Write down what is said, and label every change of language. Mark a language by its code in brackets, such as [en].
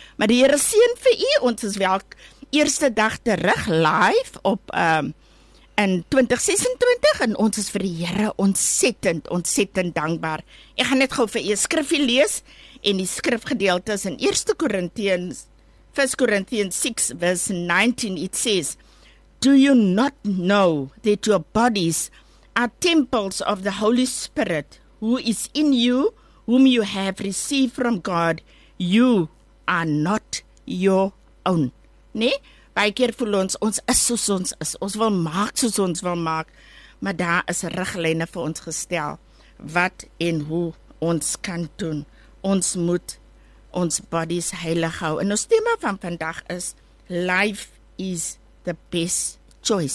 [af] Maar die Here seën vir u, ons is wel eerste dag terug live op in 2026 en ons is vir die Here ontsettend, ontsettend dankbaar. Ek gaan net gou vir u skrifie lees en die skrifgedeelte is in 1 Korintiërs 6:19, [en] it says, do you not know that your bodies are temples of the Holy Spirit, who is in you, whom you have received from God? You are not your own. [af] Nee, baie keer voel ons is soos ons is, ons wil maak soos ons wil maak, maar daar is riglyne vir ons gestel, wat en hoe ons kan doen. Ons moet ons bodies heilig hou, en ons thema van vandag is, [en] life is the best choice.